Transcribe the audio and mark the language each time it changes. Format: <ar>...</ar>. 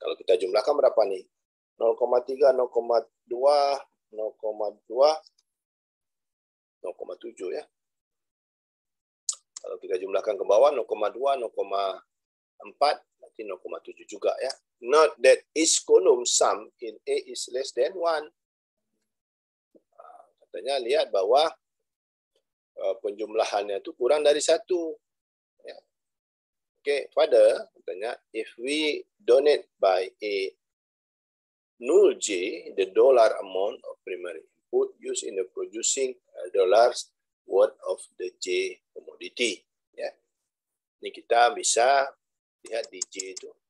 <id>Kalau kita jumlahkan berapa nih? 0,3, 0,2, 0,2, 0,7 ya. Kalau kita jumlahkan ke bawah 0,2, 0,4, berarti 0,7 juga ya.</id> <en>Note that each column sum in A is less than 1.</en> <id>Katanya lihat bahwa penjumlahannya itu kurang dari 1. Ya. Oke, okay.</id> <en>Further,</en> <id>katanya,</id> <en>if we donate by a null j, the dollar amount of primary input used in the producing dollars worth of the j commodity.</en> <id>Ya. Ini kita bisa lihat di j itu.</id>